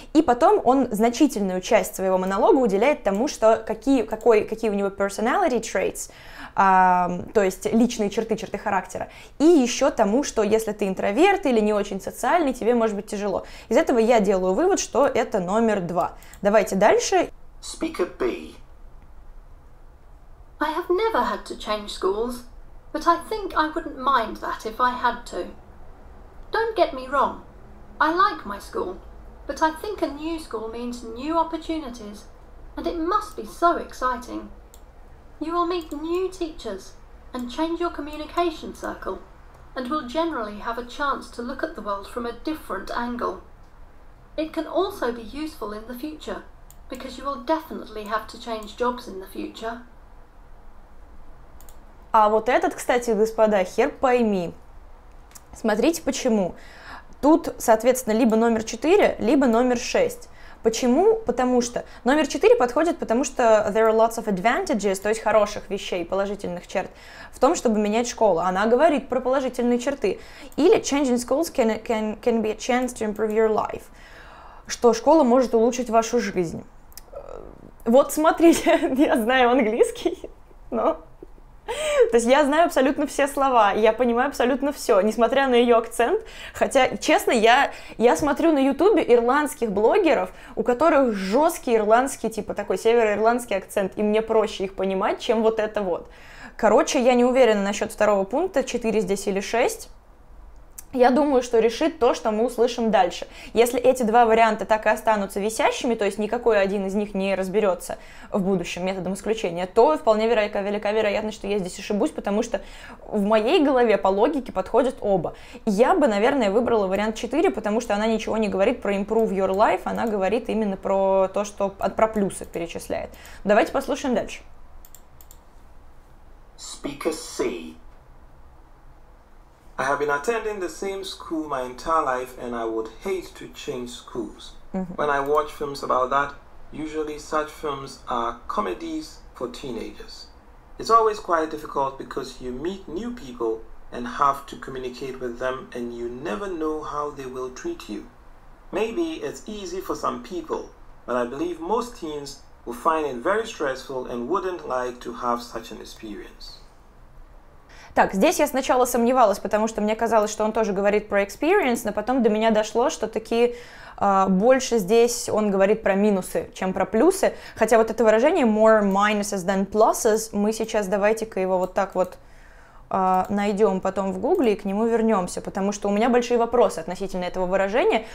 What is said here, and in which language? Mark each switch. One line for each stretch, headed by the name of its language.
Russian: И потом он значительную часть своего монолога уделяет тому, что какие у него personality traits, то есть личные черты, черты характера. И еще тому, что если ты интроверт или не очень социальный, тебе может быть тяжело. Из этого я делаю вывод, что это номер 2. Давайте дальше.
English: Speaker B. I have never had to change schools, but I think I wouldn't mind that if I had to. Don't get me wrong. I like my school, but I think a new school means new opportunities, and it must be so exciting. You will meet new teachers and change your communication circle and will generally have a chance to look at the world from a different angle. It can also be useful in the future because you will definitely have to change jobs in the future.
Russian: А вот этот, кстати, господа, хер пойми. Смотрите, почему. Тут, соответственно, либо номер 4, либо номер 6. Почему? Потому что номер 4 подходит, потому что
English: there are lots of advantages,
Russian: то есть хороших вещей, положительных черт, в том, чтобы менять школу. Она говорит про положительные черты. Или
English: changing schools can be a chance to improve your life.
Russian: Что школа может улучшить вашу жизнь. Вот смотрите, я знаю английский, но... То есть я знаю абсолютно все слова, я понимаю абсолютно все, несмотря на ее акцент. Хотя, честно, я смотрю на ютубе ирландских блогеров, у которых жесткий ирландский, типа такой североирландский акцент, и мне проще их понимать, чем вот это вот. Короче, я не уверена насчет второго пункта, 4 здесь или 6. Я думаю, что решит то, что мы услышим дальше. Если эти два варианта так и останутся висящими, то есть никакой один из них не разберется в будущем методом исключения, то вполне велика вероятность, что я здесь ошибусь, потому что в моей голове по логике подходят оба. Я бы, наверное, выбрала вариант 4, потому что она ничего не говорит про
English: improve your life,
Russian: она говорит именно про то, что про плюсы перечисляет. Давайте послушаем дальше.
English: Speaker C. I have been attending the same school my entire life, and I would hate to change schools. Mm-hmm. When I watch films about that, usually such films are comedies for teenagers. It's always quite difficult because you meet new people and have to communicate with them, and you never know how they will treat you. Maybe it's easy for some people, but I believe most teens will find it very stressful and wouldn't like to have such an experience.
Russian: Так, здесь я сначала сомневалась, потому что мне казалось, что он тоже говорит про experience, но потом до меня дошло, что таки больше здесь он говорит про минусы, чем про плюсы. Хотя вот это выражение
English: more minuses than pluses,
Russian: мы сейчас давайте-ка его вот так вот найдем потом в Гугле и к нему вернемся, потому что у меня большие вопросы относительно этого выражения.